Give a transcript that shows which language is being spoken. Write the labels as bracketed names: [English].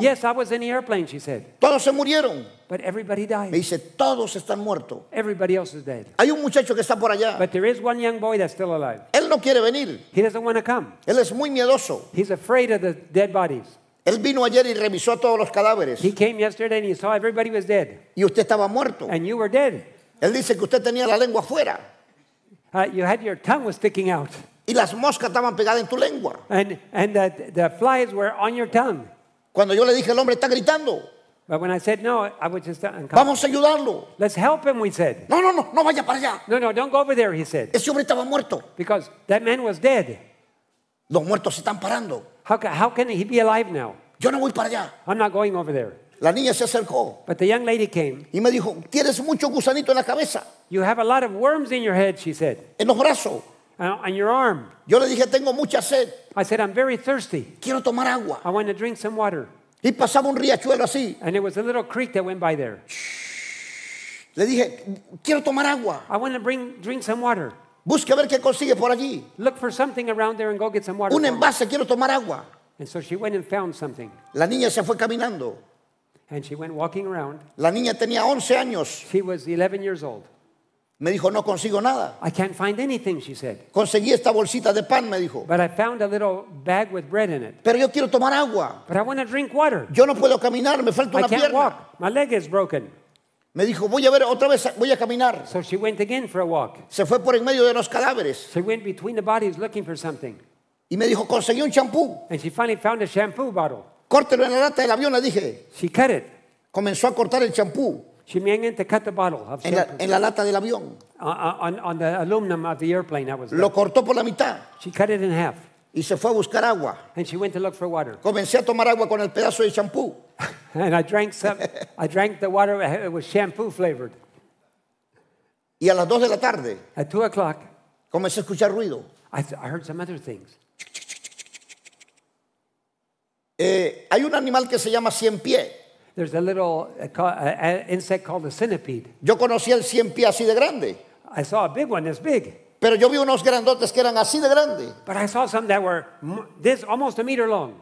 [English] Yes, I was in the airplane, she said. [Spanish] Todos se murieron. [English] But everybody died. [Spanish] Me dice, todos están muertos. [English] Everybody else is dead. [Spanish] Hay un muchacho que está por allá. [English] But there is one young boy that's still alive. [Spanish] Él no quiere venir. [English] He doesn't want to come. [Spanish] Él es muy miedoso. [English] He's afraid of the dead bodies. [Spanish] Él vino ayer y revisó todos los cadáveres. [English] He came yesterday and he saw everybody was dead. [Spanish] Y usted estaba muerto. [English] And you were dead. [Spanish] Él dice que usted tenía la lengua fuera. [English] You had your tongue was sticking out. [Spanish] Y las moscas estaban pegadas en tu lengua. [English] And the flies were on your tongue. [Spanish] Cuando yo le dije, el hombre está gritando. [English] But when I said no, I was just uncomfortable. [Spanish] Vamos a ayudarlo. [English] Let's help him, we said. [Spanish] No, no, no, no vaya para allá. [English] No, no, don't go over there, he said. [Spanish] Ese hombre estaba muerto. [English] Because that man was dead. [Spanish] Los muertos se están parando. [English] How can he be alive now? [Spanish] Yo no voy para allá. [English] I'm not going over there. [Spanish] La niña se acercó. [English] But the young lady came. [Spanish] Y me dijo, tienes mucho gusanito en la cabeza. [English] You have a lot of worms in your head, she said. [Spanish] En los brazos. [English] On your arm. [Spanish] Yo le dije, tengo mucha sed. [English] I said, I'm very thirsty. [Spanish] Quiero tomar agua. [English] I want to drink some water. [Spanish] Y pasaba un riachuelo así. [English] And it was a little creek that went by there. [Spanish] Le dije, quiero tomar agua. [English] I want to drink some water. [Spanish] Busque a ver qué consigue por allí. [English] Look for something around there and go get some water. [Spanish] Un envase, quiero tomar agua. [English] And so she went and found something. [Spanish] La niña se fue caminando. [English] And she went walking around. [Spanish] La niña tenía 11 años. [English] She was 11 years old. [Spanish] Me dijo, no consigo nada. [English] I can't find anything, she said. [Spanish] Conseguí esta bolsita de pan, me dijo. [English] But I found a little bag with bread in it. [Spanish] Pero yo quiero tomar agua. [English] But I want to drink water. [Spanish] Yo no puedo caminar, me falta una pierna. [English] I can't walk. My leg is broken. [Spanish] Me dijo, voy a ver otra vez, voy a caminar. [English] So she went again for a walk. [Spanish] Se fue por en medio de los cadáveres. [English] She went between the bodies looking for something. [Spanish] Y me dijo, conseguí un champú. [English] And she finally found a shampoo bottle. [Spanish] Córtelo en la lata del avión, le dije. [English] She cut it. [Spanish] Comenzó a cortar el champú. [English] Simplemente cut the bottle of [Spanish] en la lata del avión. [English] On the aluminum of the airplane that was [Spanish] lo cortó por la mitad. [English] She cut it in half. [Spanish] Y se fue a buscar agua. [English] And she went to look for water. [Spanish] Comencé a tomar agua con el pedazo de champú. [English] And I drank some. I drank the water. It was shampoo flavored. [Spanish] Y a las 2 de la tarde. [English] At 2 o'clock. [Spanish] Comencé a escuchar ruido. [English] I heard some other things. [Spanish] Hay un animal que se llama cien pie. [English] There's a little insect called a centipede. [Spanish] Yo conocí el cien pie así de grande. [English] I saw a big one this big. [Spanish] Pero yo vi unos grandotes que eran así de grande. [English] But I saw some that were this almost a meter long.